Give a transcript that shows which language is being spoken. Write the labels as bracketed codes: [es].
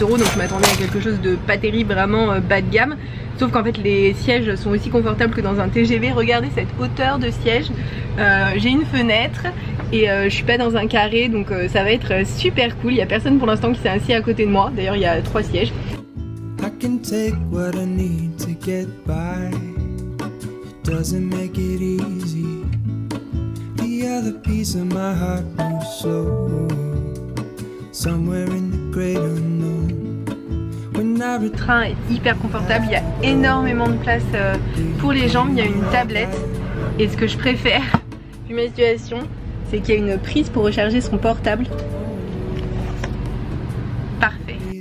[fr] Donc je m'attendais à quelque chose de pas terrible, vraiment bas de gamme. Sauf qu'en fait les sièges sont aussi confortables que dans un TGV. Regardez cette hauteur de siège. J'ai une fenêtre et je suis pas dans un carré, donc ça va être super cool. Il n'y a personne pour l'instant qui s'est assis à côté de moi. D'ailleurs il y a 3 sièges. [en] I can take what I need to get by. It doesn't make it easy. The other piece of my heart moves so somewhere in the great unknown. [fr] Le train est hyper confortable, il y a énormément de place pour les jambes, il y a une tablette Et ce que je préfère vu ma situation, c'est qu'il y a une prise pour recharger son portable. Parfait.